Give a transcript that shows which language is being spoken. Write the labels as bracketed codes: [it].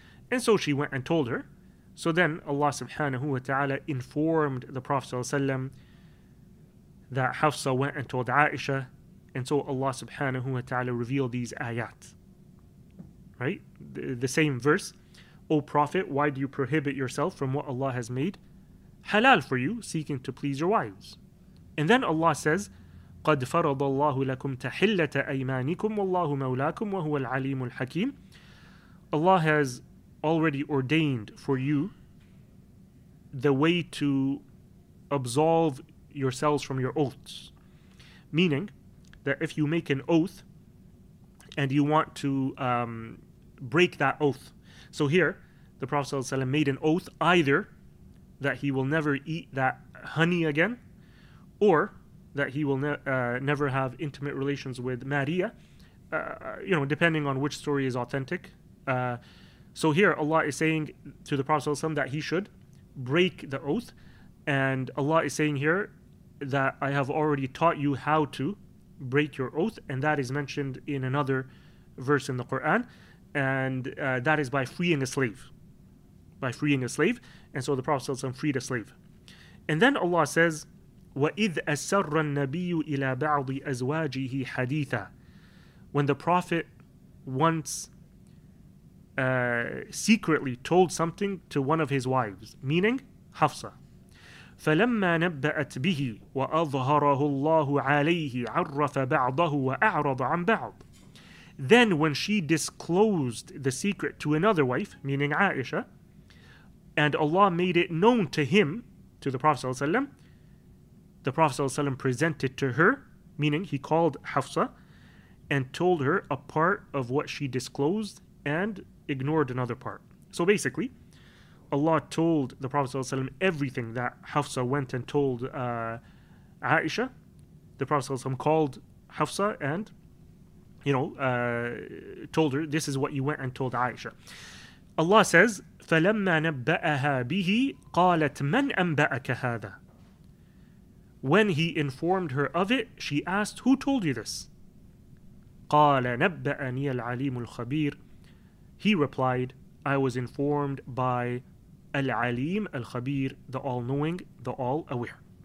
[en] And so she went and told her. So then Allah subhanahu wa ta'ala informed the Prophet sallallahu alayhi wa sallam that Hafsa went and told Aisha. And so Allah subhanahu wa ta'ala revealed these ayat. Right? The same verse. O Prophet, why do you prohibit yourself from what Allah has made halal for you, seeking to please your wives. And then Allah says, [ar] قَدْ فَرَضَ اللَّهُ لَكُمْ تَحِلَّةَ أَيْمَانِكُمْ وَاللَّهُ مَوْلَاكُمْ وَهُوَ الْعَلِيمُ الْحَكِيمُ. [en] Allah has already ordained for you the way to absolve yourselves from your oaths. Meaning that if you make an oath and you want to break that oath. So here, the Prophet ﷺ made an oath either that he will never eat that honey again, or that he will never have intimate relations with Maria, depending on which story is authentic. So here, Allah is saying to the Prophet ﷺ that he should break the oath. And Allah is saying here that I have already taught you how to break your oath, and that is mentioned in another verse in the Quran, and that is by freeing a slave. And so the Prophet ﷺ freed a slave. And then Allah says, [ar] وَإِذْ أَسَرَّ النَّبِيُّ إِلَىٰ بَعْضِ أَزْوَاجِهِ حَدِيثًا. [en] When the Prophet once secretly told something to one of his wives, meaning Hafsa. [ar] فَلَمَّا نَبَّأَتْ بِهِ وَأَظْهَرَهُ اللَّهُ عَلَيْهِ عَرَّفَ بَعْضَهُ وَأَعْرَضَ عَنْ بَعْضٍ. [en] Then when she disclosed the secret to another wife, meaning Aisha, and Allah made it known to him, to the Prophet ﷺ, the Prophet ﷺ presented to her, meaning he called Hafsa, and told her a part of what she disclosed and ignored another part. So basically, Allah told the Prophet ﷺ everything that Hafsa went and told Aisha. The Prophet ﷺ called Hafsa and told her, this is what you went and told Aisha. Allah says, [ar] فَلَمَّا نَبَّأَهَا بِهِ قَالَتْ مَنْ أَنْبَأَكَ هَذَا. [en] When he informed her of it, she asked, who told you this? [ar] قَالَ نَبَّأَنِيَ الْعَلِيمُ الْخَبِيرُ. [en] He replied, I was informed by Al-Alim, Al-Khabir, the all-knowing, the all-aware.